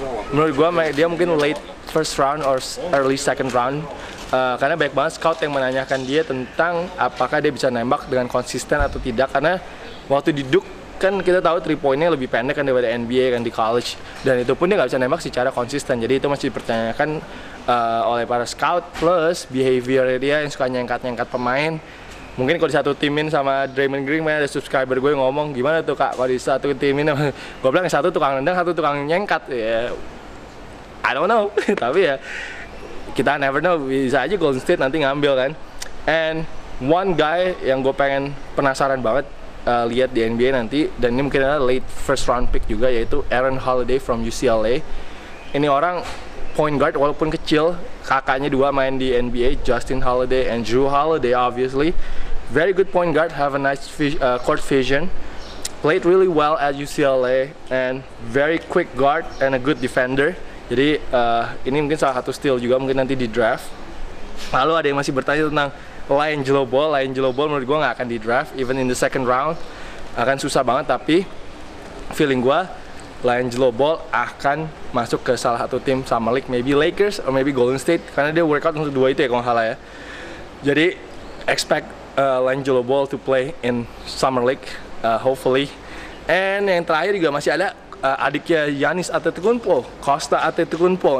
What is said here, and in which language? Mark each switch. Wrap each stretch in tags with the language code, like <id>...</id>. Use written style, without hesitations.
<id>Menurut gue, dia mungkin</id> <en>late first round or early second round.</en> <id>Karena banyak banget scout yang menanyakan dia tentang apakah dia bisa nembak dengan konsisten atau tidak. Karena waktu di Duke, kan kita tahu 3 point-nya lebih pendek kan daripada NBA kan di college. Dan itu pun dia nggak bisa nembak secara konsisten. Jadi, itu masih dipertanyakan oleh para scout, plus behavior dia yang suka nyengkat-nyengkat pemain. Mungkin kalau di satu timin sama Draymond Green, ada subscriber gue ngomong, gimana tuh kak, kalau di satu timin, gue bilang satu tukang nendang, satu tukang nyengkat, ya,</id> <en>I don't know,</en> <id>tapi ya, kita never know, bisa aja Golden State nanti ngambil kan.</id> <en>And one guy</en> <id>yang gue pengen penasaran banget lihat di NBA nanti, dan ini mungkin ada late first round pick juga, yaitu Aaron Holiday from UCLA. Ini orang point guard walaupun kecil, kakaknya dua main di NBA, Justin Holiday and Drew Holiday obviously.</id> <en>Very good point guard, have a nice court vision. Played really well at UCLA and very quick guard and a good defender.</en> <id>Jadi ini mungkin salah satu steal juga mungkin nanti di draft. Lalu ada yang masih bertanya tentang Lionel Ball menurut gua enggak akan di draft</id> <en>even in the second round.</en> <id>Akan susah banget, tapi feeling gua Lionel Ball akan masuk ke salah satu tim sama league,</id> <en>maybe Lakers or maybe Golden State,</en> <id>karena dia workout untuk dua itu ya, kalau nggak salah ya.</id> <en>Jadi, expect Lionel Ball to play in summer league, hopefully.</en> <id>And yang terakhir juga masih ada adiknya Giannis Antetokounmpo, Costa Antetokounmpo.</id>